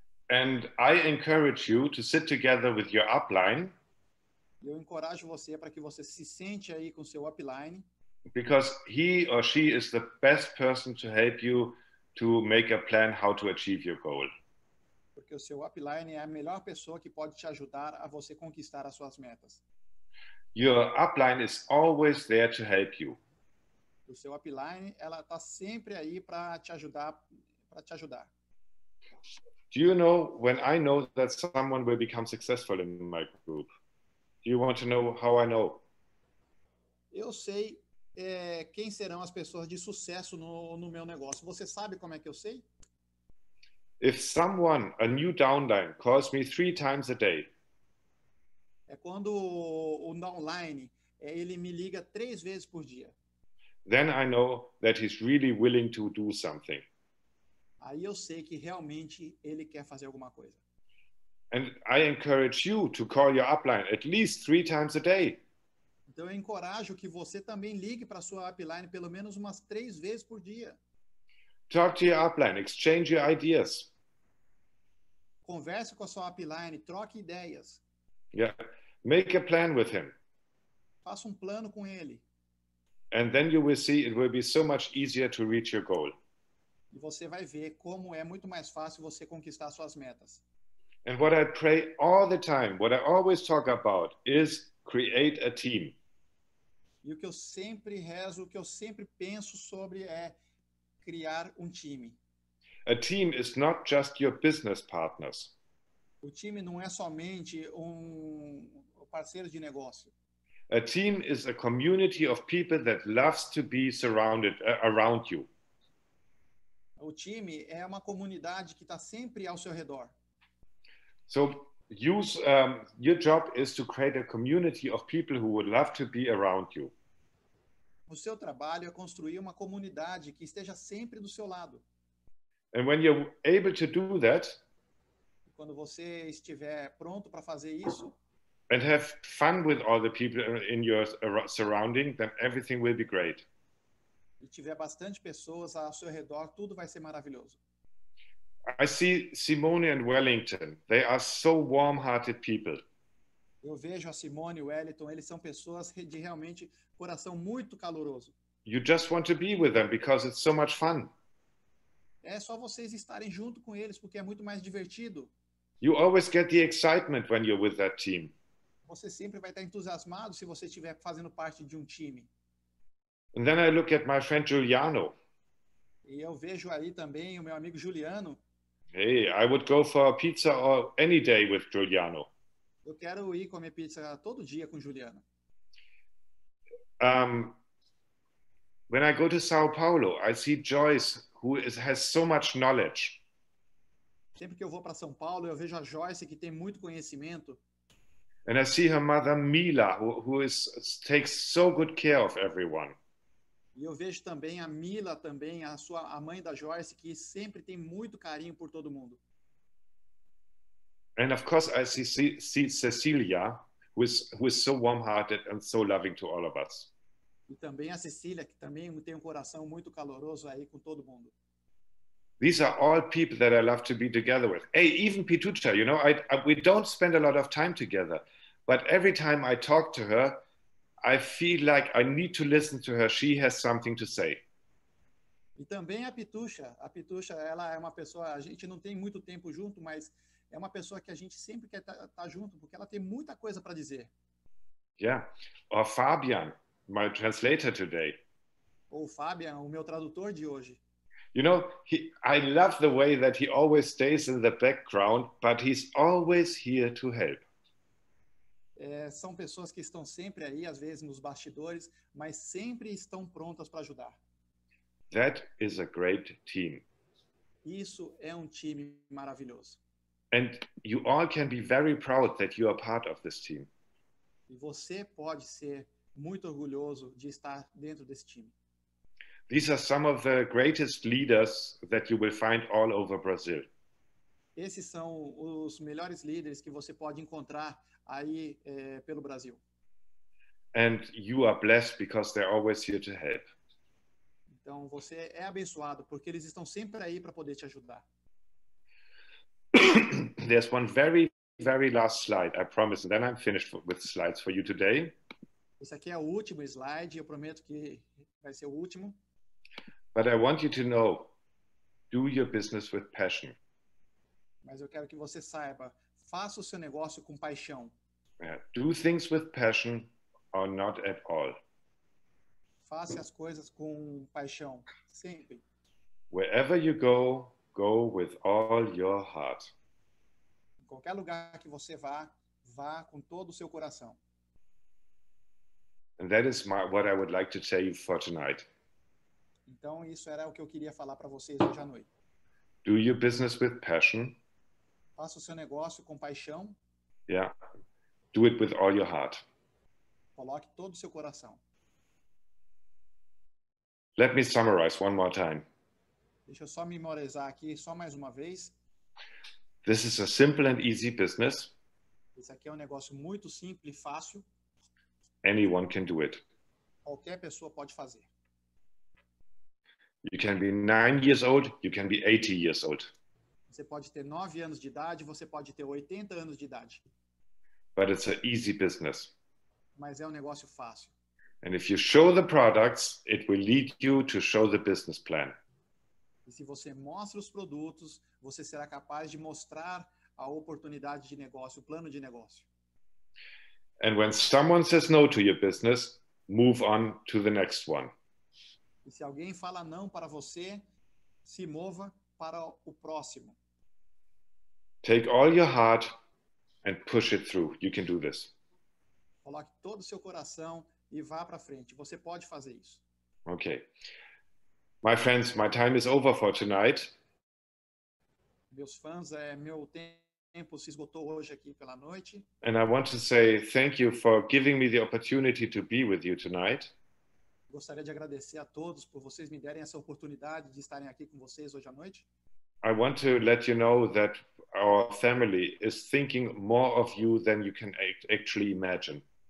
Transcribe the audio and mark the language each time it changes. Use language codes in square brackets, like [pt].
[en] And I encourage you to sit together with your upline. [pt] Eu encorajo você para que você se sente aí com seu upline. [en] Because he or she is the best person to help you to make a plan how to achieve your goal. [pt] Porque o seu upline é a melhor pessoa que pode te ajudar a você conquistar as suas metas. [en] Your upline is always there to help you. [pt] O seu upline, ela está sempre aí para te ajudar, para te ajudar. [en] Do you know when I know that someone will become successful in my group? Do you want to know how I know? [pt] Eu sei quem serão as pessoas de sucesso no meu negócio. Você sabe como é que eu sei? [en] If someone, a new downline, calls me 3 times a day. [pt] É quando o downline, ele me liga 3 vezes por dia. [en] Then I know that he's really willing to do something. [pt] Aí eu sei que realmente ele quer fazer alguma coisa. [en] And I encourage you to call your upline at least 3 times a day. [pt] Então eu encorajo que você também ligue para sua upline pelo menos umas 3 vezes por dia. [en] Talk to your upline, exchange your ideas. [pt] Converse com a sua upline, troque ideias. [en] Yeah, make a plan with him. [pt] Faça um plano com ele. [en] And then you will see it will be so much easier to reach your goal. [pt] E você vai ver como é muito mais fácil você conquistar suas metas. [en] And what I pray all the time, what I always talk about is create a team. [pt] E o que eu sempre rezo, o que eu sempre penso sobre é criar um time. [en] A team is not just your business partners. [pt] O time não é somente um parceiro de negócio. [en] A team is a community of people that loves to be surrounded around you. [pt] O time é uma comunidade que está sempre ao seu redor. [en] So, your job is to create a community of people who would love to be around you. [pt] O seu trabalho é construir uma comunidade que esteja sempre do seu lado. [en] And when you're able to do that, [pt] quando você estiver pronto para fazer isso, [en] and have fun with all the people in your surrounding, then everything will be great. [pt] E tiver bastante pessoas ao seu redor, tudo vai ser maravilhoso. [en] I see Simone and Wellington. They are so warm-hearted people. [pt] Eu vejo a Simone e o Wellington. Eles são pessoas de realmente coração muito caloroso. [en] You just want to be with them because it's so much fun. [pt] É só vocês estarem junto com eles porque é muito mais divertido. [en] You always get the excitement when you're with that team. [pt] Você sempre vai estar entusiasmado se você estiver fazendo parte de um time. [en] And then I look at my friend Giuliano. [pt] E eu vejo aí também o meu amigo Giuliano. [en] Hey, I would go for a pizza any day with Giuliano. [pt] Eu quero ir comer pizza todo dia com Giuliano. [en] When I go to São Paulo, I see Joyce, who has so much knowledge. [pt] Sempre que eu vou para São Paulo, eu vejo a Joyce, que tem muito conhecimento. [en] And I see her mother Mila, who takes so good care of everyone. [pt] E eu vejo também a Mila também, a mãe da Joyce, que sempre tem muito carinho por todo mundo. [en] And of course I see Cecilia, who is so warm-hearted and so loving to all of us. [pt] E também a Cecília, que também tem um coração muito caloroso aí com todo mundo. [en] These are all people that I love to be together with. Hey, even Pitucha, you know, we don't spend a lot of time together, but every time I talk to her, I feel like I need to listen to her. She has something to say. [pt] E também a Pitucha, ela é uma pessoa, a gente não tem muito tempo junto, mas é uma pessoa que a gente sempre quer tá junto, porque ela tem muita coisa para dizer. [en] Yeah. Or Fabian, my translator today. [pt] Ou Fabian, o meu tradutor de hoje. [en] You know, I love the way that he always stays in the background, but he's always here to help. [pt] São pessoas que estão sempre aí, às vezes nos bastidores, mas sempre estão prontas para ajudar. [en] That is a great team. [pt] Isso é um time maravilhoso. [en] And you all can be very proud that you are part of this team. [pt] E você pode ser muito orgulhoso de estar dentro desse time. [en] These are some of the greatest leaders that you will find all over Brazil. [pt] Esses são os melhores líderes que você pode encontrar aí pelo Brasil. [en] And you are blessed because they're always here to help. [pt] Então você é abençoado porque eles estão sempre aí para poder te ajudar. [en] There's one very, very last slide, I promise, and then I'm finished with slides for you today. [pt] Esse aqui é o último slide, eu prometo que vai ser o último. [en] But I want you to know, do your business with passion. [pt] Mas eu quero que você saiba, faça o seu negócio com paixão. [en] Yeah. Do things with passion or not at all. [pt] Faça as coisas com paixão, sempre. [en] Wherever you go, go with all your heart. [pt] Em qualquer lugar que você vá, vá com todo o seu coração. [en] And that is what I would like to tell you for tonight. [pt] Então, isso era o que eu queria falar para vocês hoje à noite. [en] Do your business with passion. [pt] Faça o seu negócio com paixão. [en] Yeah. Do it with all your heart. [pt] Coloque todo o seu coração. [en] Let me summarize one more time. [pt] Deixa eu só memorizar aqui, só mais uma vez. [en] This is a simple and easy business. [pt] Esse aqui é um negócio muito simples e fácil. [en] Anyone can do it. [pt] Qualquer pessoa pode fazer. [en] You can be 9 years old, you can be 80 years old. [pt] Você pode ter 9 anos de idade, você pode ter 80 anos de idade. [en] But it's an easy business. [pt] Mas é um negócio fácil. [en] And if you show the products, it will lead you to show the business plan. [pt] E se você mostra os produtos, você será capaz de mostrar a oportunidade de negócio, o plano de negócio. [en] And when someone says no to your business, move on to the next one. [pt] E se alguém fala não para você, se mova para o próximo. [en] Take all your heart and push it through. You can do this. [pt] Coloque todo o seu coração e vá para frente. Você pode fazer isso. [en] Okay. My friends, my time is over for tonight. [pt] Meus fãs, meu tempo se esgotou hoje aqui pela noite. [en] And I want to say thank you for giving me the opportunity to be with you tonight. [pt] Gostaria de agradecer a todos por vocês me derem essa oportunidade de estarem aqui com vocês hoje à noite. [en] I want to let you know that our family is thinking more of you than you can actually imagine.